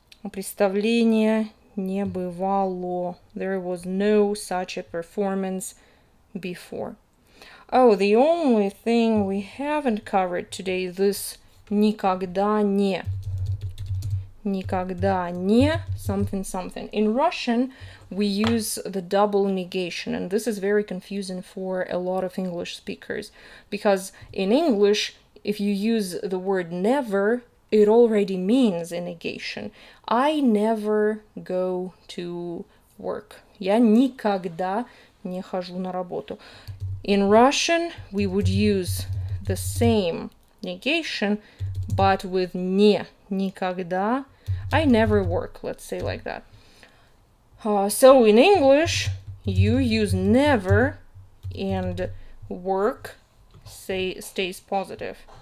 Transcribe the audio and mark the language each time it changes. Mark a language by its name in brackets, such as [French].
[Russian] Представление не бывало. [English] There was no such a performance before. Oh, the only thing we haven't covered today is this [Russian] никогда не. Никогда не [English] something something. In Russian, we use the double negation, and this is very confusing for a lot of English speakers. Because in English, if you use the word never, it already means a negation. I never go to work. [Russian] Я никогда не хожу на работу. [English] In Russian, we would use the same negation, but with [Russian] не, никогда. [English] I never work, let's say like that. So in English, you use never and work stays positive.